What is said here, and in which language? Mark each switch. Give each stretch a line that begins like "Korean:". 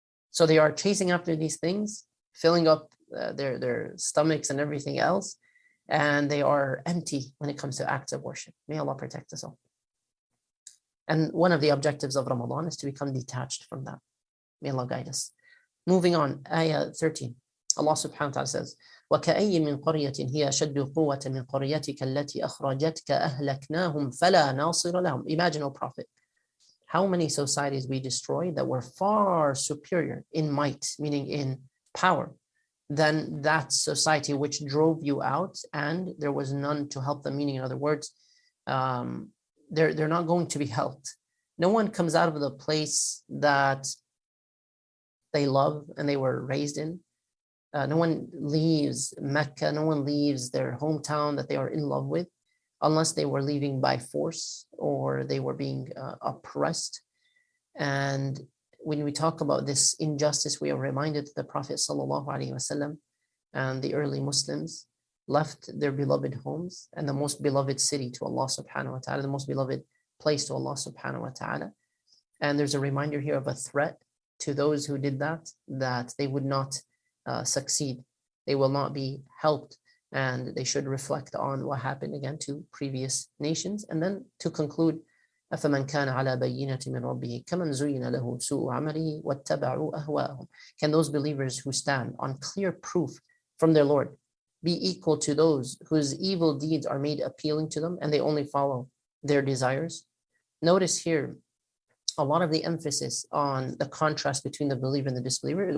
English: So they are chasing after these things, filling up their stomachs and everything else, and they are empty when it comes to acts of worship. May Allah protect us all. And one of the objectives of Ramadan is to become detached from that. May Allah guide us. Moving on, ayah 13. Allah subhanahu wa ta'ala says,
Arabic: وَكَأَيِّ مِنْ قَرْيَةٍ هِيَ شَدُّ قُوَّةٍ مِنْ قَرْيَتِكَ الَّتِي أَخْرَجَتْكَ أَهْلَكْنَاهُمْ فَلَا نَاصِرَ لَهُمْ.
English: Imagine, O Prophet, how many societies we destroyed that were far superior in might, meaning in power, than that society which drove you out and there was none to help them. Meaning, in other words, they're not going to be helped. No one comes out of the place that they love and they were raised in. No one leaves Mecca, no one leaves their hometown that they are in love with, unless they were leaving by force or they were being oppressed. And when we talk about this injustice, we are reminded that the Prophet sallallahu alaihi wasallam and the early Muslims left their beloved homes and the most beloved city to Allah subhanahu wa ta'ala, the most beloved place to Allah subhanahu wa ta'ala. And there's a reminder here of a threat to those who did that, that they would not succeed. They will not be helped, and they should reflect on what happened again to previous nations. And then to conclude,
Arabic: أفمن كان على بينة من ربه كمن زين له سوء عمله واتبعوا أهواءهم.
English: Can those believers who stand on clear proof from their Lord be equal to those whose evil deeds are made appealing to them and they only follow their desires? Notice here a lot of the emphasis on the contrast between the believer and the disbeliever.